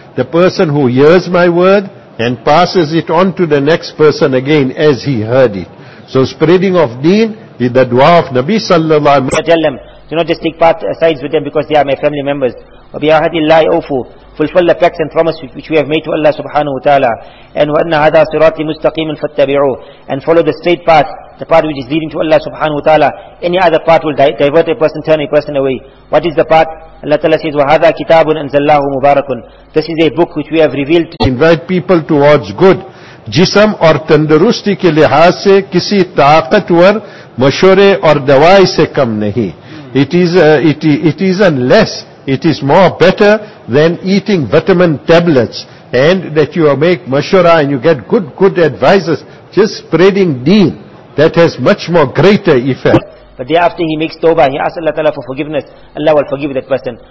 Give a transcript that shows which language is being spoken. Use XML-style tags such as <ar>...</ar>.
<en>The person who hears my word and passes it on to the next person again as he heard it. So spreading of deen is the dua of Nabi sallallahu alayhi wa sallam. Do not just take part sides with them because they are my family members.</en> <ar>وَبِعَهَدِ اللَّهِ أَوْفُ.</ar> <en>Fulfill the pacts and promise which we have made to Allah subhanahu wa ta'ala.</en> <ar>And وَأَنَّ هَذَا صِرَاطِ مُسْتَقِيمٍ فَاتَّبِعُوا.</ar> <en>And follow the straight path, the path which is leading to Allah subhanahu wa ta'ala. Any other path will divert a person, turn a person away. What is the path? Allah Ta'ala says,</en> <ar>وَهَذَا كِتَابٌ أَنزَلَّهُ مُبَارَكٌ.</ar> <en>This is a book which we have revealed. Invite people towards good.</en> <ur>جسم اور تندرستی کے لحاظ سے کسی طاقتور مشورے اور دوائی سے کم نہیں.</ur> <en>It is more better than eating vitamin tablets, and that you make mashura and you get good advices. Just spreading deen, that has much more greater effect. But the day after he makes tawbah, he asks Allah Ta'ala for forgiveness, Allah will forgive that person.</en>